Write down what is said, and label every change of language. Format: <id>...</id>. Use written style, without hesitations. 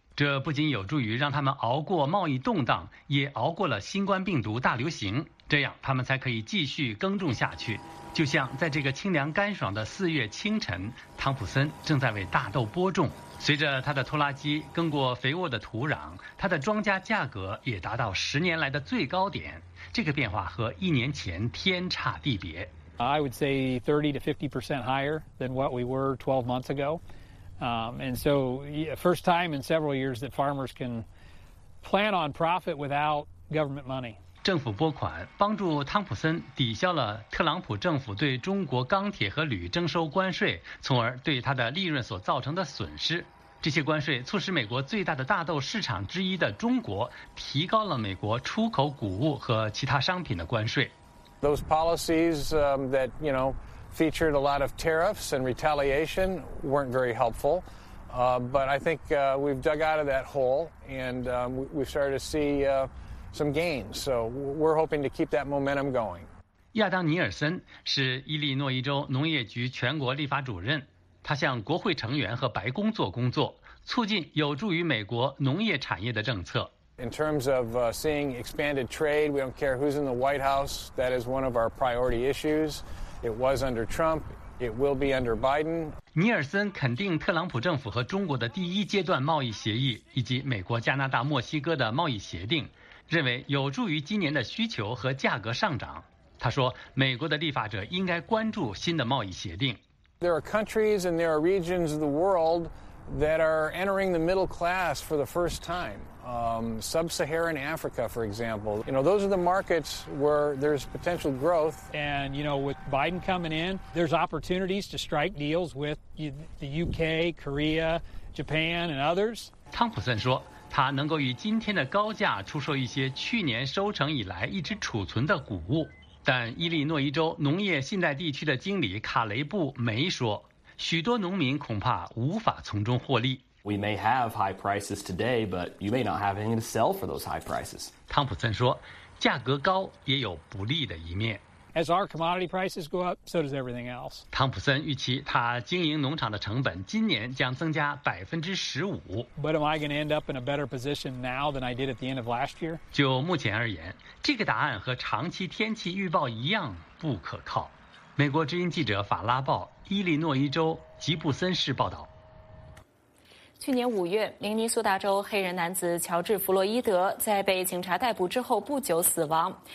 <zh>这不仅有助于让他们熬过贸易动荡，也熬过了新冠病毒大流行，这样他们才可以继续耕种下去。就像在这个清凉干爽的四月清晨，汤普森正在为大豆播种，随着他的拖拉机耕过肥沃的土壤，他的庄稼价格也达到十年来的最高点。这个变化和一年前天差地别。</zh> <en>I would say 30-50% higher than what we were 12 months ago. And so, first time in several years that farmers can plan on profit without government money.</en> <zh>政府拨款帮助汤普森抵消了特朗普政府对中国钢铁和铝征收关税，从而对他的利润所造成的损失。这些关税促使美国最大的大豆市场之一的中国提高了美国出口谷物和其他商品的关税。</zh> <en>Those policies, that, you know,featured a lot of tariffs and retaliation weren't very helpful, but I think we've dug out of that hole and we've started to see some gains. So we're hoping to keep that momentum going.</en> <zh>亚当·尼尔森是伊利诺伊州农业局全国立法主任，他向国会成员和白宫做工作，促进有助于美国农业产业的政策。</zh> <en>In terms of seeing expanded trade, we don't care who's in the White House. That is one of our priority issues. It was under Trump. It will be under Biden.</en> <zh>尼尔森肯定特朗普政府和中国的第一阶段贸易协议以及美国、加拿大、墨西哥的贸易协定，认为有助于今年的需求和价格上涨。他说，美国的立法者应该关注新的贸易协定。</zh> <en>There are countries and there are regions of the world that are entering the middle class for the first time. Sub-Saharan Africa, for example. You know, those are the markets where there's potential growth. And, you know, with Biden coming in, there's opportunities to strike deals with the UK, Korea, Japan, and others.</en> <zh>汤普森说，他能够以今天的高价出售一些去年收成以来一直储存的谷物。但伊利诺伊州农业信贷地区的经理卡雷布梅说，许多农民恐怕无法从中获利。</zh> <en>We may have high prices today, but you may not have anything to sell for those high prices.</en> <zh>汤普森说，价格高也有不利的一面。</zh> <en>As our commodity prices go up, so does everything else.</en> <zh>汤普森预期他经营农场的成本今年将增加15%。</zh> <en>But am I going to end up in a better position now than I did at the end of last year?</en> <zh>就目前而言，这个答案和长期天气预报一样不可靠。美国之音记者法拉报伊利诺伊州吉布森市报道。去年五月，明尼苏达州黑人男子乔治·弗洛伊德在被警察逮捕之后不久死亡。</zh>